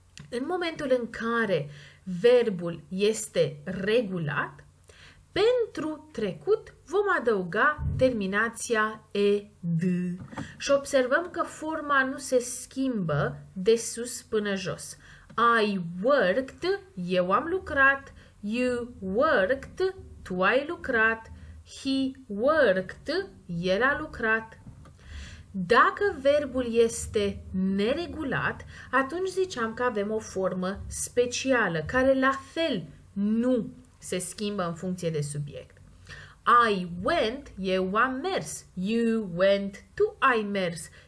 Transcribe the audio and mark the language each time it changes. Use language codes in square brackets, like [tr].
[ro] În momentul în care verbul este regulat, pentru trecut vom adăuga terminația ed și observăm că forma nu se schimbă de sus până jos. [en] I worked, [ro] eu am lucrat, [en] you worked, [ro] tu ai lucrat, [en] he worked, [ro] el a lucrat. Dacă verbul este neregulat, atunci ziceam că avem o formă specială, care la fel nu se schimbă în funcție de subiect. [en] I went, [ro] eu am mers. [en] You went, [ro] tu ai mers.